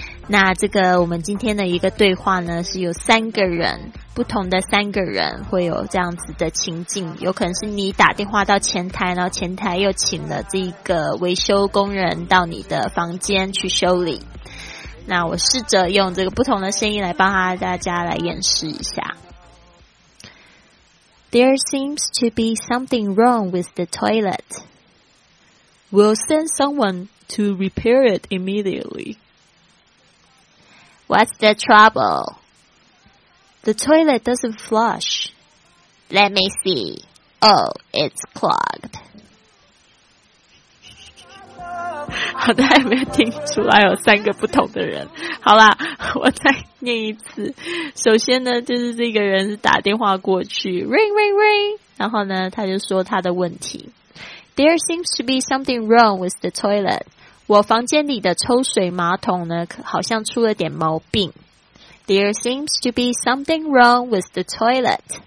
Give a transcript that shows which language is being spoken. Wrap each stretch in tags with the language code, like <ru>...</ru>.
<zh>那这个我们今天的一个对话呢，是有三个人，不同的三个人会有这样子的情境，有可能是你打电话到前台，然后前台又请了这个维修工人到你的房间去修理。那我试着用这个不同的声音来帮大家来演示一下。</zh> <en>There seems to be something wrong with the toilet. We'll send someone to repair it immediately. What's the trouble? The toilet doesn't flush. Let me see. Oh, it's clogged.</en> <zh>好的，还没有听出来有三个不同的人。好啦，我再念一次。首先呢，就是这个人是打电话过去 ，ring ring ring， 然后呢，他就说他的问题。</zh> <en>There seems to be something wrong with the toilet.</en> <zh>我房间里的抽水马桶呢，好像出了点毛病。</zh> <en>There seems to be something wrong with the toilet.</en>